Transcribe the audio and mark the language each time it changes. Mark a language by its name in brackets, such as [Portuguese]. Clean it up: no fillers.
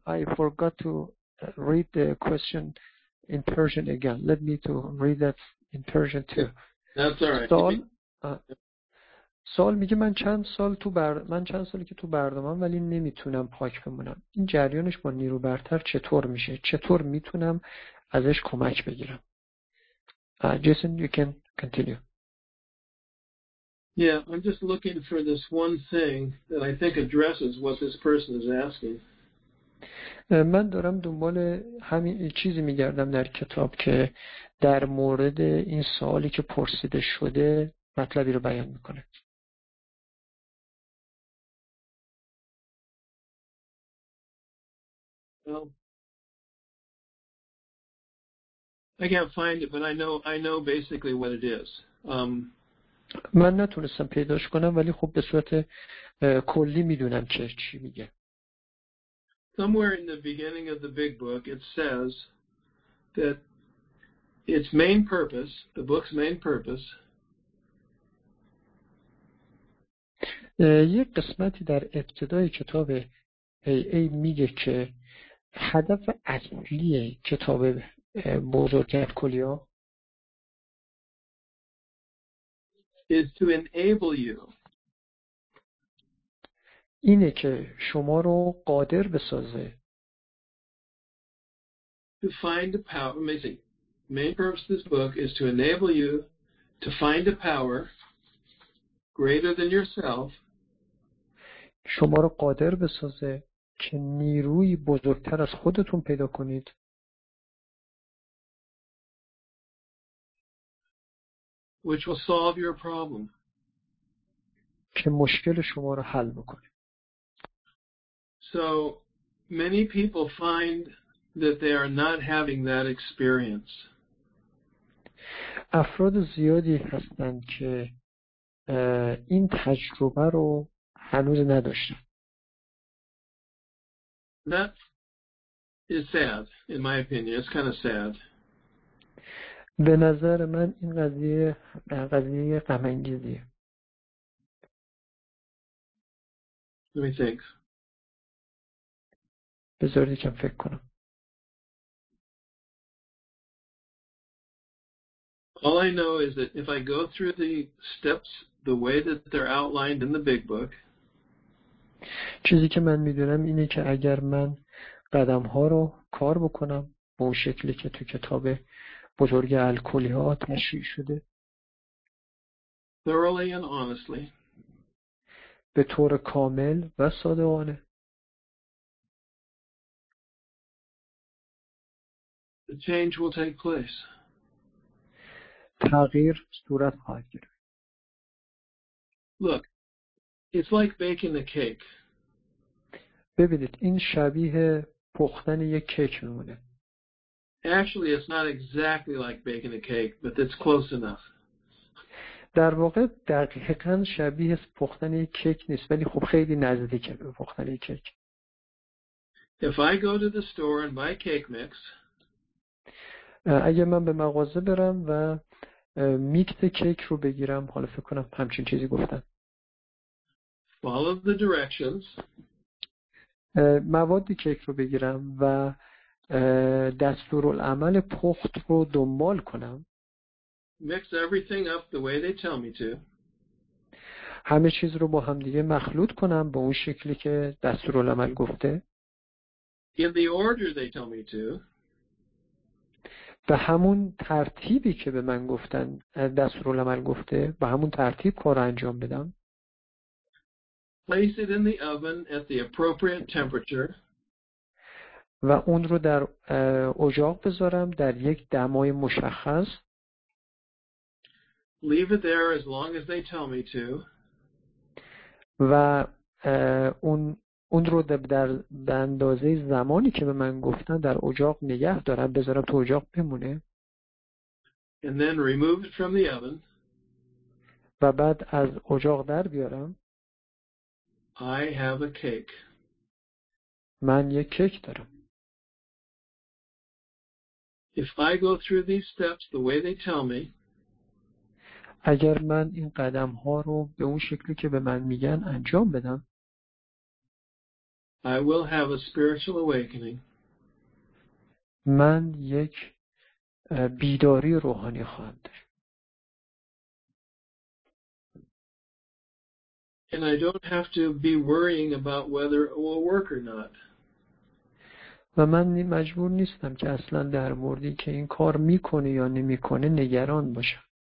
[English] I forgot to read the question in Persian again. Let me to read that in Persian too. Yeah, that's all right. [Persian] سوال میگه من چند سالی که تو بردمم ولی نمیتونم پاک بمونم. این جریانش با نیرو برتر چطور میشه؟ چطور میتونم ازش کمک بگیرم؟ [English] Jason, you can continue. Yeah, I'm just looking for this one thing that I think addresses what this person is asking. [Persian] من دارم دنبال همین چیزی میگردم در کتاب که در مورد این سوالی که پرسیده شده مطلبی رو بیان میکنه. [English] I can't find it, but I know basically what it is. [Persian] من نتونستم پیداش کنم ولی خب به صورت کلی میدونم چی میگه. [English] Somewhere in the beginning of the big book it says that its main purpose, the book's main purpose, [Persian] یک قسمتی در ابتدای کتاب ای میگه که هدف اصلی کتاب بزرگ الکلیا [English] is to enable you, [Persian] اینه که شما رو قادر بسازه. [English] To find the power, amazing. Main purpose of this book is to enable you to find a power greater than yourself. [Persian] شما رو قادر بسازه که نیروی بزرگتر از خودتون پیدا کنید. [English] Which will solve your problem. [Persian] که مشکل شما رو حل بکنه. [English] So many people find that they are not having that experience. [Persian] افراد زیادی هستند که این تجربه رو هنوز نداشتن. [English] That is sad, in my opinion. It's kind of sad. [Persian] به نظر من این قضیه غم انگیزیه. [English] Let me think. [Persian] بذارید یکم فکر کنم. [English] All I know is that if I go through the steps the way that they're outlined in the big book, [Persian] چیزی که من میدونم اینه که اگر من قدم ها رو کار بکنم به اون شکلی که تو کتاب بزرگ الکلی ها تشریح شده [English] thoroughly and honestly, [Persian] به طور کامل و صادقانه, [English] the change will take place. [Persian] تغییر صورت خواهد گرفت. [English] Look, it's like baking a cake. [Persian] ببینید این شبیه پختن یک کیک میمونه. [English] Actually, it's not exactly like baking a cake, but it's close enough. [Persian] در واقع دقیقاً شبیه پختن یک کیک نیست ولی خب خیلی نزدیکه به پختن یک کیک. [English] If I go to the store and buy cake mix, [Persian] اگه من به مغازه برم و میکس کیک رو بگیرم, حالا فکر کنم همچین چیزی گفتن, [English] follow the directions, [Persian] مواد کیک رو بگیرم و دستورالعمل پخت رو دنبال کنم, [English] mix everything up the way they tell me to, [Persian] همه چیز رو با هم دیگه مخلوط کنم به اون شکلی که دستورالعمل گفته, [English] in the order they tell me to, [Persian] به همون ترتیبی که به من گفتن دستورالعمل گفته به همون ترتیب کار انجام بدم, [English] place it in the oven at the appropriate temperature, [Persian] و اون رو در اجاق بذارم در یک دمای مشخص, [English] leave it there as long as they tell me to, [Persian] و اون اون رو در به اندازه زمانی که به من گفتن در اجاق نگه دارم، بذارم تو اجاق بمونه. [English] And then remove it from the oven. [Persian] و بعد از اجاق در بیارم. [English] I have a cake. [Persian] من یک کیک دارم. [English] If I go through these steps the way they tell me. [Persian] اگر من این قدم ها رو به اون شکلی که به من میگن انجام بدم، [English] I will have a spiritual awakening. [Persian] من یک بیداری روحانی خواهم داشت. [English] And I don't have to be worrying about whether it will work or not. [Persian] و من مجبور نیستم که اصلا در موردی که این کار میکنه یا نمیکنه نگران باشم.